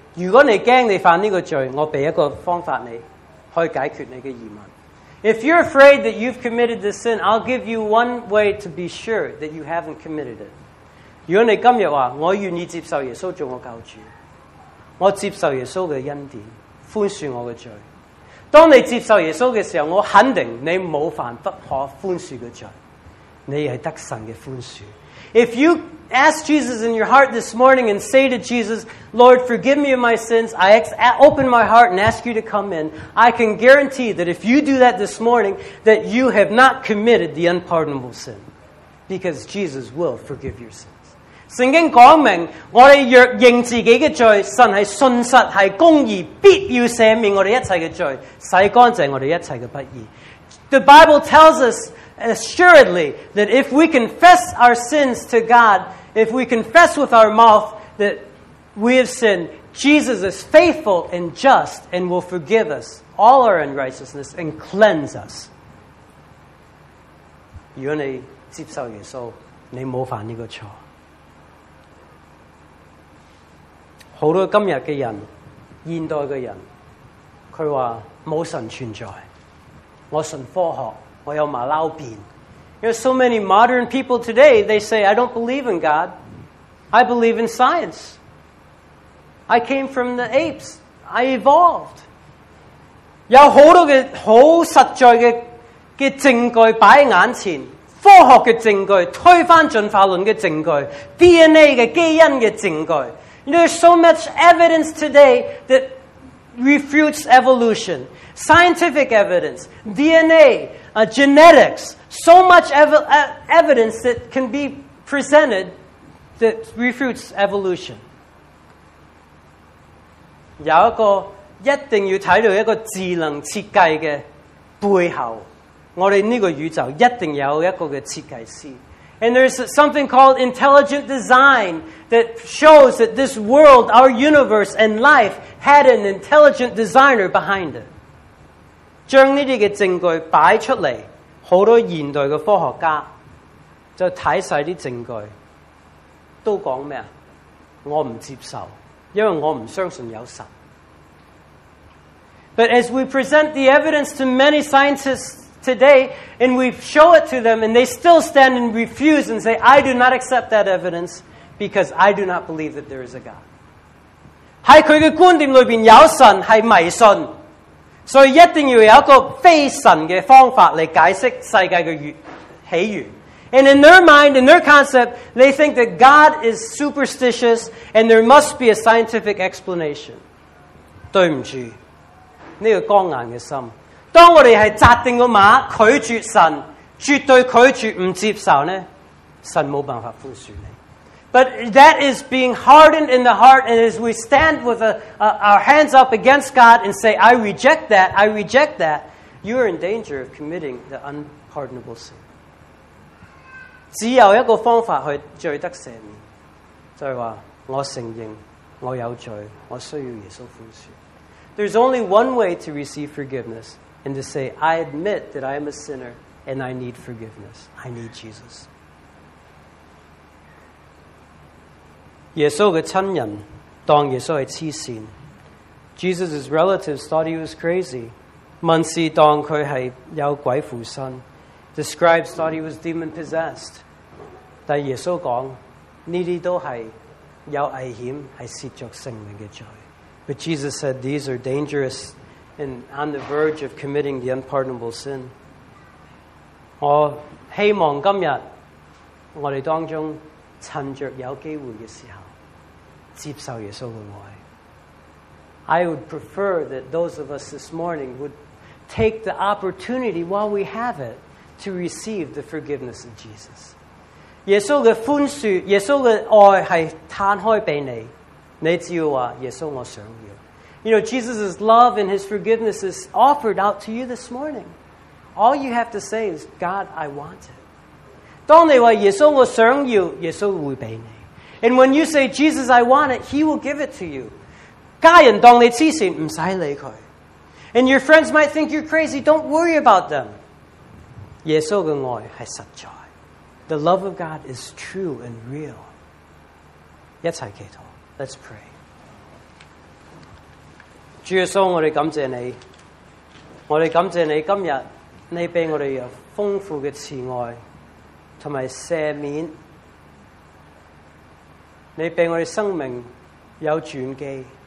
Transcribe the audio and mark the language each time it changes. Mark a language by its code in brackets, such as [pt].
[yue] 如果你怕你犯这个罪，我给一个方法你，可以解决你的疑问。 [en] If you're afraid that you've committed this sin, I'll give you one way to be sure that you haven't committed it. [yue] 如果你今天说，我愿意接受耶稣做我救主，我接受耶稣的恩典，宽恕我的罪。当你接受耶稣的时候，我肯定你没有犯不可宽恕的罪，你是得神的宽恕。 [en] If you ask Jesus in your heart this morning and say to Jesus, Lord, forgive me of my sins, I open my heart and ask you to come in, I can guarantee that if you do that this morning, that you have not committed the unpardonable sin, because Jesus will forgive your sins. [yue] 圣经讲明，我们若认自己的罪，神是信实，是公义，必要赦免我们一切的罪，洗干净我们一切的不义。 [en] The Bible tells us assuredly that if we confess our sins to God, if we confess with our mouth that we have sinned, Jesus is faithful and just and will forgive us all our unrighteousness and cleanse us. [yue] 如果你接受耶稣，你没犯这个错。好多今天的人，现代的人，他说没神存在，我信科学，我有马骝辩。 [en] You know, so many modern people today, they say, I don't believe in God. I believe in science. I came from the apes. I evolved. [yue] 有很多的很实在 的证据摆在眼前，科学的证据，推翻进化论的证据， DNA 的基因的证据。 [en] You know, there's so much evidence today that refutes evolution. Scientific evidence, DNA, genetics, so much evidence that can be presented that refutes evolution. [yue] 有一个一定要睇到一个智能设计的背后，我们这个宇宙一定有一个设计师。 [en] And there's something called intelligent design that shows that this world, our universe, and life had an intelligent designer behind it. [yue] 将这些证据摆出来，很多现代的科学家就看完这些证据，都说什么？我不接受，因为我不相信有神。 [en] But as we present the evidence to many scientists today, and we show it to them, and they still stand and refuse and say, I do not accept that evidence because I do not believe that there is a God. [yue] 在他的观点里面有神是迷信，所以一定要有一个非神的方法来解释世界的起源。 [en] And in their mind, in their concept, they think that God is superstitious and there must be a scientific explanation. [yue] 对不住，这个刚硬的心。当我们是扎定个马，拒绝神，绝对拒绝不接受呢，神没办法宽恕你。 [en] But that is being hardened in the heart, and as we stand with our hands up against God and say, I reject that, I reject that, you are in danger of committing the unpardonable sin. [yue] 只有一个方法去罪得赦免，就是说我承认我有罪，我需要耶稣宽恕。 [en] There's only one way to receive forgiveness and to say, I admit that I am a sinner and I need forgiveness. I need Jesus. [yue] 耶稣的亲人当耶稣是痴线。 [en] Jesus' relatives thought he was crazy. [yue] 文士当他是有鬼附身。 [en] The scribes thought he was demon-possessed. [yue] 但耶稣说，这些都是有危险，是亵渎圣灵的罪。 [en] But Jesus said these are dangerous and on the verge of committing the unpardonable sin. [yue] 我希望今日我哋当中趁着有机会嘅时候接受耶稣嘅爱。 [en] I would prefer that those of us this morning would take the opportunity while we have it to receive the forgiveness of Jesus. [yue] 耶稣嘅宽恕，耶稣嘅爱系摊开俾你。你只要说耶稣我想要。 [en] You know, Jesus' love and his forgiveness is offered out to you this morning. All you have to say is, God, I want it. [yue] 当你说耶稣我想要，耶稣会给你。 [en] And when you say, Jesus, I want it, he will give it to you. [yue] 家人当你痴线，不用理他。 [en] And your friends might think you're crazy, don't worry about them. [yue] 耶稣的爱是实在。 [en] The love of God is true and real. [yue] 一起祈祷。 [en] Let's pray. [yue] 主耶稣，我们感谢你，我们感谢你今日你给我们有丰富的慈爱和赦免，你给我们生命有转机。